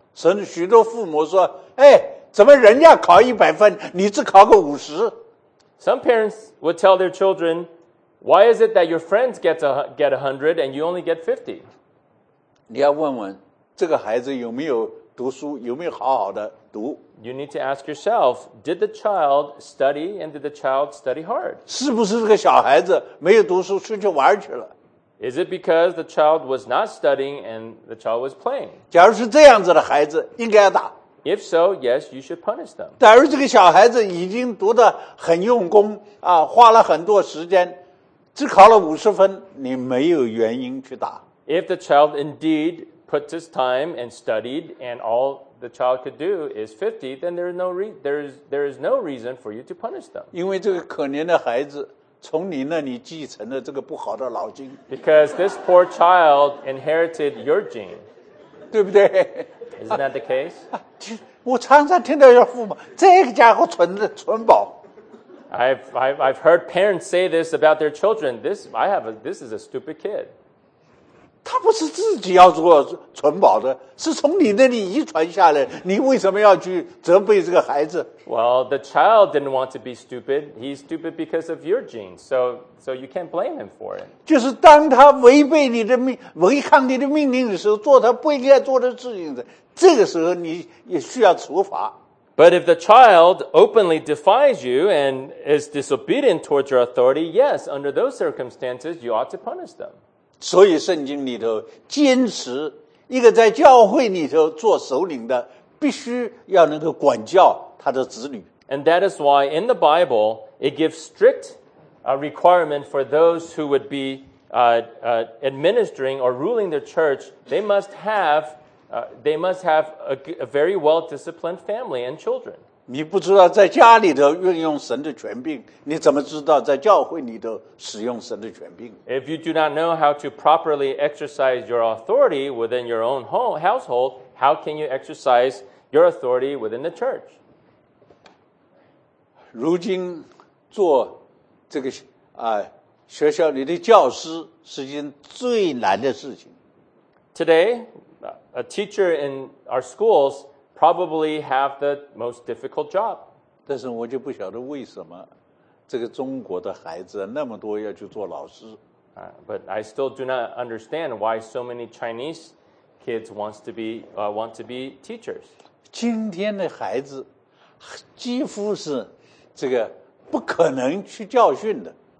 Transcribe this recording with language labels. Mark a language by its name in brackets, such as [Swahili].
[Chinese] 甚至许多父母说，哎，怎么人家考100分，你只考个50？ [English] Some parents would tell their children, why is it that your friends get 100 and you only get 50? [Chinese] 你要问问这个孩子有没有读书，有没有好好的读。 [English] You need to ask yourself, did the child study and did the child study hard? [Chinese] 是不是这个小孩子没有读书出去玩去了？ [English] Is it because the child was not studying and the child was playing? [Chinese] 假如是这样子的孩子应该要打。 [English] If so, yes, you should punish them. [Chinese] 假如这个小孩子已经读得很用功啊，花了很多时间，只考了50分，你没有原因去打。 [English] If the child indeed put his time and studied, and all the child could do is 50, then there is no reason for you to punish them. [Chinese] 因为这个可怜的孩子从你那里继承了这个不好的脑筋。 [English] Because this poor child inherited your gene. [Chinese] 对不对？ [English] Isn't that the case? [Chinese] 我常常听到要父母，这个家伙存的存宝。 [English] I've heard parents say this about their children. This is a stupid kid. [Chinese] 他不是自己要做存宝的，是从你那里遗传下来。你为什么要去责备这个孩子？ [English] Well, the child didn't want to be stupid. He's stupid because of your genes. So you can't blame him for it. [Chinese] 就是当他违背你的命，违抗你的命令的时候，做他不应该做的事情的。这个时候你也需要处罚。 [English] But if the child openly defies you and is disobedient towards your authority, yes, under those circumstances, you ought to punish them. [Chinese] 所以圣经里头坚持一个在教会里头做首领的必须要能够管教他的子女。 [English] And that is why in the Bible, it gives strict requirement for those who would be administering or ruling the church, they must have a very well-disciplined family and children. [Chinese] 你不知道在家里头运用神的权柄，你怎么知道在教会里头使用神的权柄？ [English] If you do not know how to properly exercise your authority within your own household, how can you exercise your authority within the church? [Chinese] 如今做这个学校里的教师是件最难的事情。 [English] Today,a teacher in our schools probably have the most difficult job. [Chinese] 但是我就不晓得为什么这个中国的孩子那么多要去做老师。 [English] But I still do not understand why so many Chinese kids want to be teachers. [Chinese] 今天的孩子几乎是这个不可能去教训的。